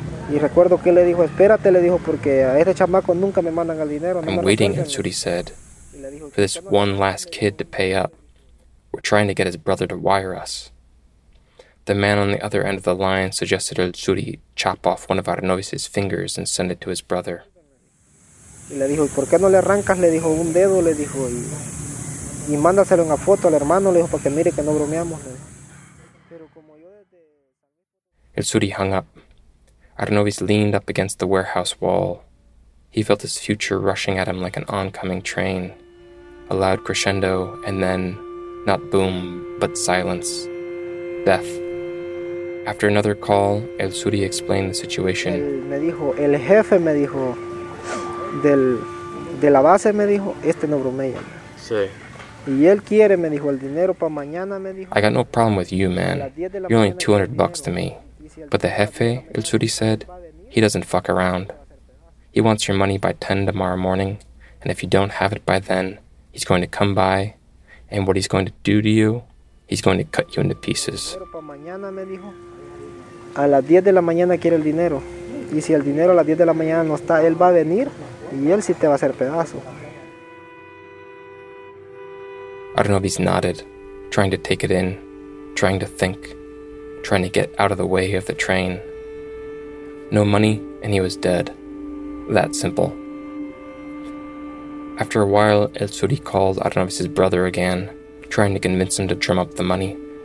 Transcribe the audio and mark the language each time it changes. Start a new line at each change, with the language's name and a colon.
Spanish: Y recuerdo que le dijo, espérate, le dijo, porque a este chamaco nunca me mandan el dinero.
English: I'm waiting, El Suri said, for this one last kid to pay up. We're trying to get his brother to wire us. The man on the other end of the line suggested El Suri chop off one of Arnovis' fingers and send it to his brother.
Spanish: Y le dijo, ¿por qué no le arrancas? Le dijo, un dedo, le dijo, y mándaselo en la foto al hermano, le dijo, para que mire que no bromeamos.
English: El Suri hung up. Arnovis leaned up against the warehouse wall. He felt his future rushing at him like an oncoming train. A loud crescendo, and then, not boom, but silence. Death. After another call, El Suri explained the situation.
Spanish: Me dijo, el jefe me dijo, del, de la base me dijo, este no bromea. Sí.
English: I got no problem with you, man. You're only $200 to me. But the jefe, El Suri said, he doesn't fuck around. He wants your money by 10 tomorrow morning, and if you don't have it by then, he's going to come by, and what he's going to do to you, he's going to cut you into pieces.
Spanish: A las 10 de la mañana quiere el dinero. Y si el dinero a las 10 de la mañana no está, él va a venir, y él sí te va a hacer pedazo.
English: Arnovis nodded, trying to take it in, trying to think, trying to get out of the way of the train. No money, and he was dead. That simple. After a while, El Suri called Arnovis' brother again, trying to convince him to drum up the money.